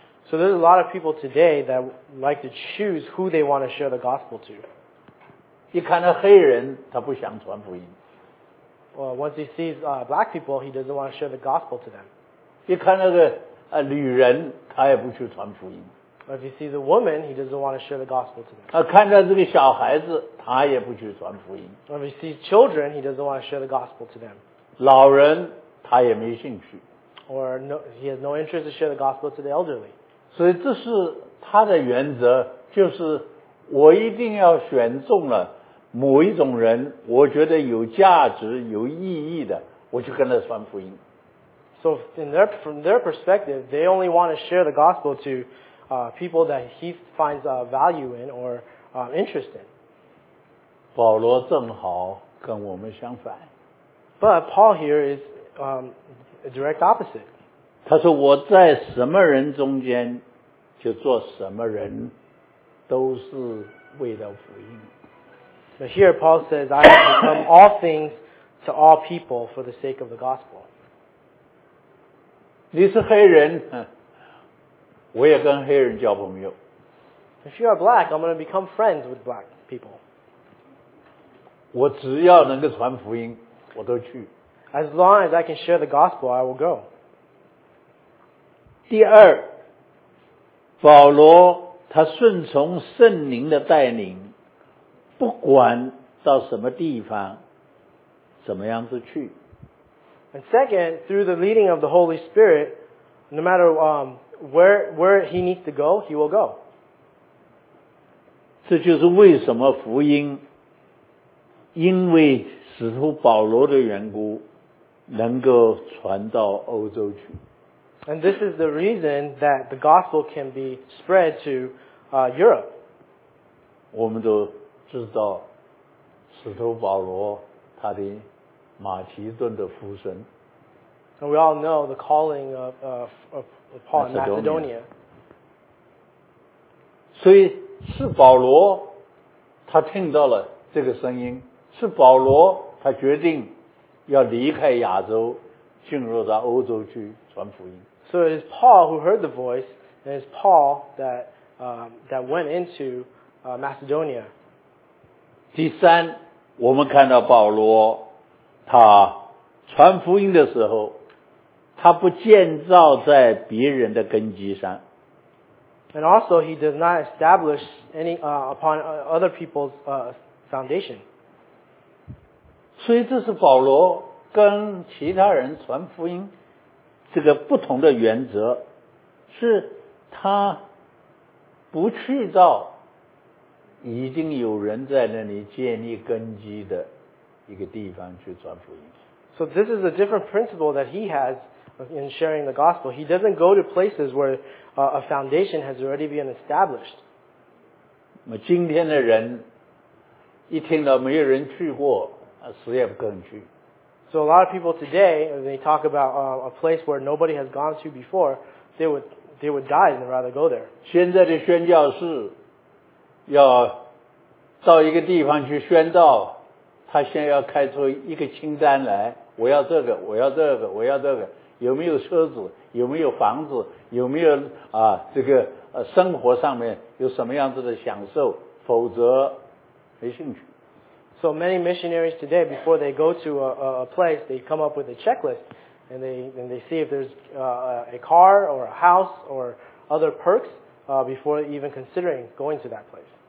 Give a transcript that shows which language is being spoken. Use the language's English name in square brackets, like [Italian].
[English] So there's a lot of people today that like to choose who they want to share the gospel to. [Chinese] 一看到黑人他不想传福音。 [English] Well, once he sees black people, he doesn't want to share the gospel to them. [Chinese] 一看到个女人他也不去传福音。 [English] If he sees a woman, he doesn't want to share the gospel to them. [Chinese] 看到这个小孩子他也不去传福音。 [English] If he sees children, he doesn't want to share the gospel to them. [Chinese] 老人他也没兴趣。 [English] Or no, he has no interest to share the gospel to the elderly. [Chinese] 所以这是他的原则，就是我一定要选中了某一种人，我觉得有价值、有意义的，我就跟他传福音。 [English] So from their perspective, they only want to share the gospel to people that he finds value in or interest in. [Chinese] 保罗正好跟我们相反。 [English] But Paul here is a direct opposite. [Chinese] 他说我在什么人中间就做什么人，都是为了福音。 [English] But here Paul says, I have become all things to all people for the sake of the gospel. [Chinese] 你是黑人，我也跟黑人交朋友。 [English] If you are black, I'm going to become friends with black people. [Chinese] 我只要能够传福音，我都去。 [English] As long as I can share the gospel, I will go. [Chinese] 第二，保罗他顺从圣灵的带领，不管到什么地方，怎么样子去。 [English] And second, through the leading of the Holy Spirit, no matter where he needs to go, he will go. [Chinese] 这就是为什么福音，因为使徒保罗的缘故，能够传到欧洲去。 [English] And this is the reason that the gospel can be spread to Europe. [Chinese] 我们都知道使徒保罗他的马其顿的呼声。 [English] And we all know the calling of Paul in Macedonia. [Chinese] 所以是保罗他听到了这个声音，是保罗他决定要离开亚洲，进入到欧洲去传福音。 [English] So it is Paul who heard the voice, and it is Paul that went into Macedonia. [Chinese] 第三，我们看到保罗他传福音的时候，他不建造在别人的根基上。 [English] And also he does not establish any upon other people's foundation. [Chinese] 所以这是保罗跟其他人传福音这个不同的原则，是他不去到已经有人在那里建立根基的一个地方去传福音。 [English] So this is a different principle that he has in sharing the gospel. He doesn't go to places where a foundation has already been established. [Chinese] 今天的人一听到没有人去过，死也不肯去。 [English] So a lot of people today, when they talk about a place where nobody has gone to before, they would die and rather go there. [Chinese] 现在的宣教士要到一个地方去宣道, 他先要开出一个清单来, 我要这个, 我要这个, 我要这个, 有没有车子, 有没有房子, 有没有, 啊, 这个, 生活上面有什么样子的享受, 否则没兴趣。 [English] So many missionaries today, before they go to a place, they come up with a checklist, and they see if there's a car or a house or other perks before even considering going to that place.